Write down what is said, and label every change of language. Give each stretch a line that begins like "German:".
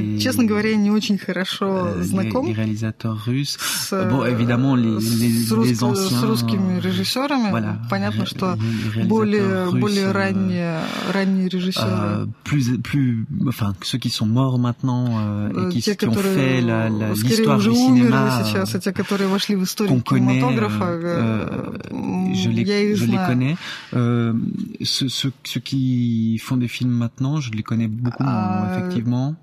Russian: Честно говоря, не очень хорошо знаком.
French: Les réalisateurs russes. Bon, évidemment, les anciens.
Russian: С русскими режиссерами.
French: Voilà.
Russian: Понятно, что более ранние режиссеры.
French: Plus, enfin, ceux qui sont morts maintenant et qui ont fait l'histoire du cinéma.
Russian: Сейчас, те, которые вошли в историю кинематографа.
French: Je les connais. Ceux qui font des films maintenant, je les connais beaucoup, effectivement.